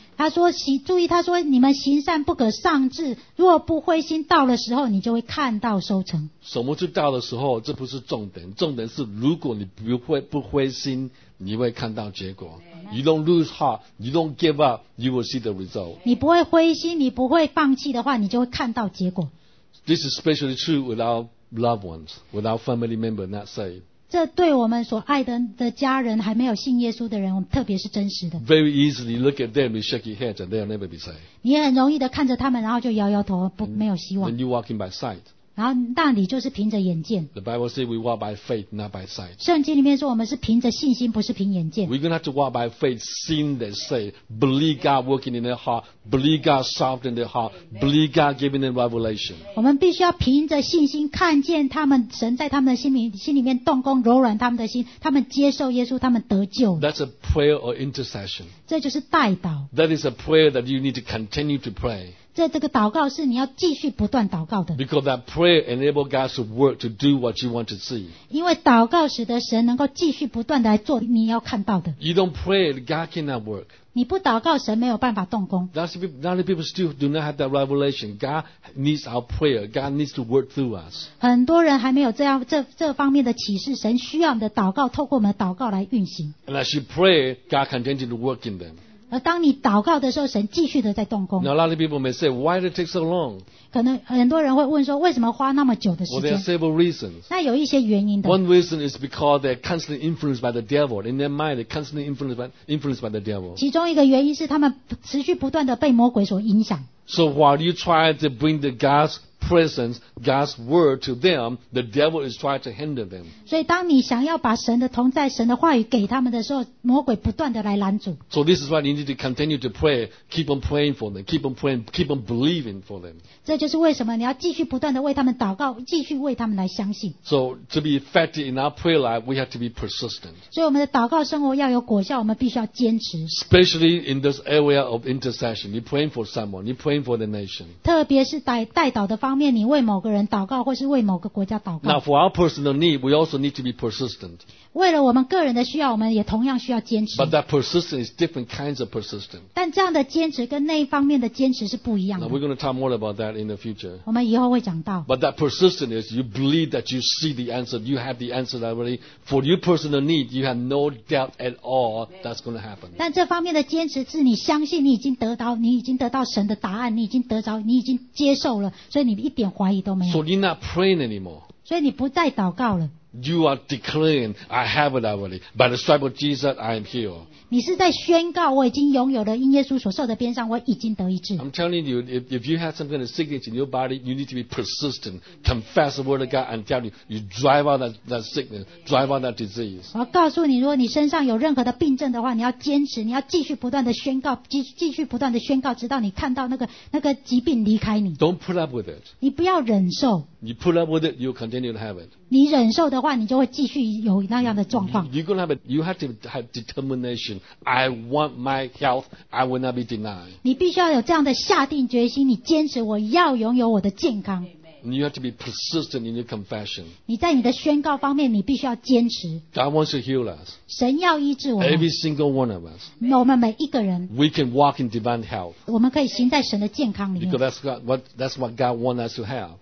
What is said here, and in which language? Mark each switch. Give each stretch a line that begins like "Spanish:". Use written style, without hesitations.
Chinese: 他说注意，他说你们行善不可丧志，如果不灰心，到了时候你就会看到收成。什么是到的时候？这不是重点，重点是如果你不灰心。你会看到结果。
English: You don't lose heart, you don't give up, you will see the result.
Chinese: 你不会灰心，你不会放弃的话，你就会看到结果。
English: This is especially true with our loved ones, with our family member not saved.
Chinese: 这对我们所爱 的家人还没有信耶稣的人，我们特别是真实的。
English: Very easily look at them, you shake your head, and they'll never be saved.
Chinese: 你很容易的看着他们，然后就摇摇头，不
English: and,
Chinese: 没有希望。
English: And you walk in by sight.
Chinese: 然后那你就是凭着眼见。
English: The Bible says we walk by faith, not by sight.
Chinese: 圣经里面说我们是凭着信心，不是凭眼见。
English: We're going to have to walk by faith, seeing that say, believe God working in their heart, believe God softening their heart, believe God giving them revelation.
Chinese: 我们必须要凭着信心看见他们神在他们的心里面动工，柔软他们的心，他们接受耶稣，他们得救。
English: That's a prayer or intercession.
Chinese: 这就是代祷。
English: That is a prayer that you need to continue to pray.
Chinese: 这个祷告是你要继续不断祷告的。
English: Because that prayer enables God's work to do what you want to see.
Chinese: 因为祷告使得神能够继续不断的来做你要看到的。
English: You don't pray, God cannot work.
Chinese: 你不祷告，神没有办法动工。
English: That's why many people still do not have that revelation. God needs our prayer. God needs to work through us.
Chinese: 很多人还没有这方面的启示，神需要我们的祷告，透过我们的祷告来运行。
English: And as you pray, God continues to work in them.
Chinese: 而当你祷告的时候，神继续的在动工。
English: Now, a lot of people may say, why did it take so long?
Chinese: 可能很多人会问说，为什么花那么久的时间？
English: Well, there are several reasons.
Chinese: 那有一些原因的。
English: One reason is because they're constantly influenced by the devil. In their mind, they're constantly influenced by the devil.
Chinese: 其中一个原因是他们持续不断的被魔鬼所影响。
English: So while you try to bring the God's presence, God's word to them, the devil is trying to hinder them.
Chinese: 所以当你想要把神的同在、神的话语给他们的时候，魔鬼不断的来拦阻。
English: So this is why you need to continue to pray, keep on praying for them, keep on praying, keep on believing for them.
Chinese: 这就是为什么你要继续不断的为他们祷告，继续为他们来相信。
English: So to be effective in our prayer life, we have to be persistent.
Chinese: 所以我们的祷告生活要有果效，我们必须要坚持。
English: Especially in this area of intercession, you're praying for someone, you're praying for the nation.
Chinese: 特别是代祷的方面，你为某个人祷告，或是为某个国家祷告。
English: Now for our personal need, we also need to be persistent.
Chinese: 为了我们个人的需要，我们也同样需要坚持。
English: But that persistence is different kinds of persistence.
Chinese: 但这样的坚持跟那一方面的坚持是不一样的。
English: Now we're going to talk more about that in the future.
Chinese: 我们以后会讲到。
English: But that persistence is you believe that you see the answer, you have the answer already. For your personal need, you have no doubt at all that's going to happen.
Chinese: 但这方面的坚持是你相信你已经得到神的答案，你已经接受了，所以你一点怀疑都没有。
English: So you're not praying anymore.
Chinese: 所以你不再祷告了。
English: You are declaring, I have it already. By the stripes of Jesus, I am healed.
Chinese: 你是在宣告我已经拥有了，因耶稣所受的鞭伤，我已经得医治。
English: I'm telling you, if you have some kind of sickness in your body, you need to be persistent. Confess the word of God and tell you drive out that sickness, drive out that disease.
Chinese: 我告诉你，如果你身上有任何的病症的话，你要坚持，你要继续不断的宣告，继续不断的宣告，直到你看到那个疾病离开你。
English: Don't put up with it.
Chinese: 你不要忍受。
English: You put up with it, you'll continue to have it.
Chinese: 你忍受的话，你就会继续有那样的状况。
English: You're gonna have you have to have determination. I want my health. I will not be denied.
Chinese: 你必须要有这样的下定决心，你坚持我要拥有我的健康。
English: You have to be persistent in your confession.
Chinese: 你在你的宣告方面，你必须要坚持。
English: God wants to heal us.
Chinese: 神要医治我们。
English: Every single one of us.
Chinese: 我们每一个人。
English: We can walk in divine health.
Chinese: 我们可以行在神的健康里面。
English: Because that's what God wants us to have.